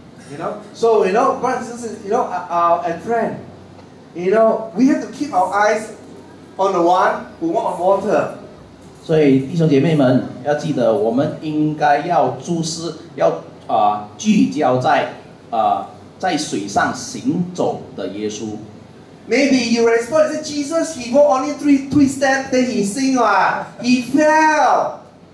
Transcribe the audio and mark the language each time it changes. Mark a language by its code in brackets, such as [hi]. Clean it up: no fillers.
[en] You know, so you know, brothers, you know, and friend, you know, we have to keep our eyes on the one who walk on water. [zh] 所以弟兄姐妹们要记得，我们应该要注视，要聚焦在水上行走的耶稣。 [en] Maybe you respond and say, Jesus, he walked only three steps, then he sing, he fell.